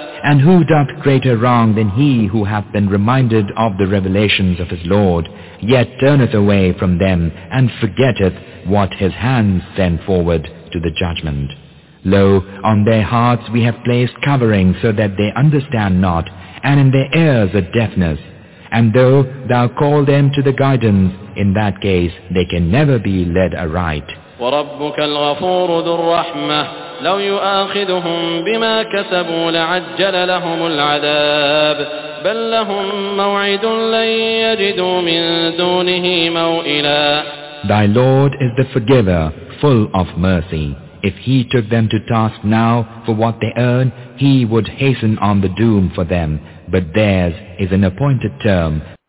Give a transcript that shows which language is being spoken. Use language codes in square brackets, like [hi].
[en] And who doth greater wrong than he who hath been reminded of the revelations of his Lord, yet turneth away from them and forgetteth what his hands send forward to the judgment? Lo, on their hearts we have placed covering so that they understand not, and in their ears a deafness. And though thou call them to the guidance, in that case they can never be led aright. [ar] وربك الغفور ذو الرحمة لو يؤاخذهم بما كسبوا لعجل لهم العذاب بل لهم موعد لن يجدوا من دونه موئلا. [en] Thy Lord is the forgiver, full of mercy. If He took them to task now for what they earn, He would hasten on the doom for them. But theirs is an appointed term.